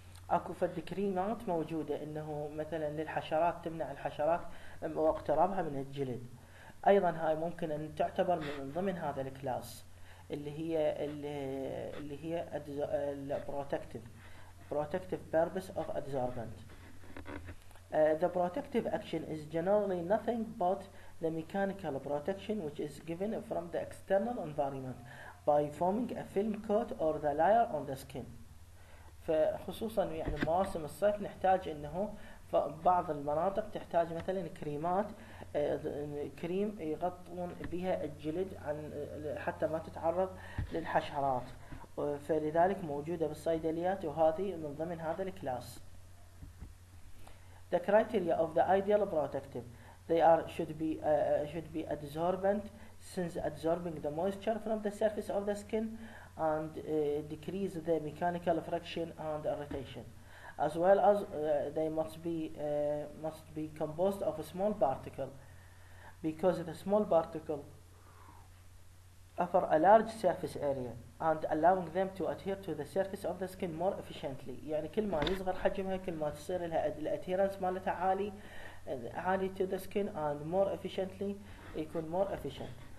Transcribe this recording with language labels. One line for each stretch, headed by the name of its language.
Arabic: اكو فد كريمات موجودة انه مثلا للحشرات تمنع الحشرات واقترابها من الجلد, ايضا هاي ممكن ان تعتبر من ضمن هذا الكلاس اللي هي البروتكتيف
English: protective purpose of adsorbent. The protective action is generally nothing but the mechanical protection which is given from the external environment by forming a film coat or the layer on the skin.
Arabic: فخصوصا يعني مواسم الصيف نحتاج انه بعض المناطق تحتاج مثلا كريمات كريم يغطون بها الجلد عن حتى ما تتعرض للحشرات, فلذلك موجودة بالصيدليات وهذه من ضمن هذا الكلاس.
English: The criteria of the ideal protective they are should be adsorbent since adsorbing the moisture from the surface of the skin and decrease the mechanical friction and irritation as well as they must be composed of a small particle because the small particle offer a large surface area and allowing them to adhere to the surface of the skin more efficiently.
Arabic: يعني كل ما يصغر حجمها كل ما تصير لها الاتيرنس مالتها عالي
English: to the skin and more efficiently
Arabic: يكون
English: more efficient.